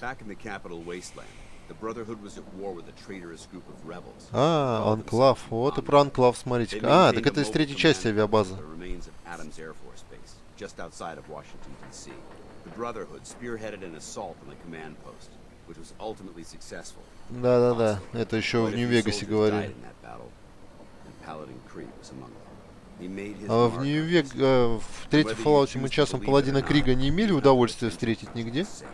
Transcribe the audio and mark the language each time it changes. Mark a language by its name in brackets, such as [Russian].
[English] Back in the capital wasteland, the Brotherhood was at war with a traitorous group of rebels. [Russian] А, анклав. Вот и про анклав, смотрите-ка. А, так это из третьей части авиабазы. [English] The remains of Adams Air Force Base, just outside of Washington, D.C. The Brotherhood spearheaded an assault on the command post, which was ultimately successful. [Russian] Да-да-да, это еще в Нью-Вегасе говорили. А в Нью-Вегасе, в третьем Фоллауте мы часом паладина Крига не имели удовольствия встретить нигде?